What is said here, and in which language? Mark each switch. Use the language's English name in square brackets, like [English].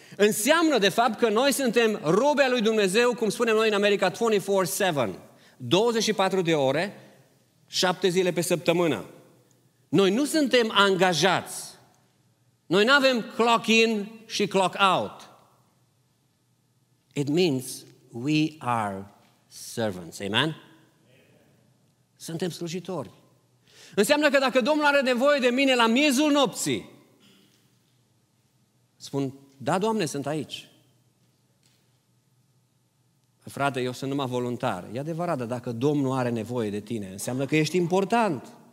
[Romanian] Înseamnă, de fapt, că noi suntem robi ai lui Dumnezeu, cum spunem noi în America, 24/7. 24 de ore, 7 zile pe săptămână. Noi nu suntem angajați. Noi nu avem clock in și clock out. [English] It means we are servants. [Romanian] Amen? Suntem slujitori. Înseamnă că dacă Domnul are nevoie de mine la miezul nopții, spun, da, Doamne, sunt aici. Frate, eu sunt numai voluntar. E adevărat, dar dacă Domnul are nevoie de tine, înseamnă că ești important.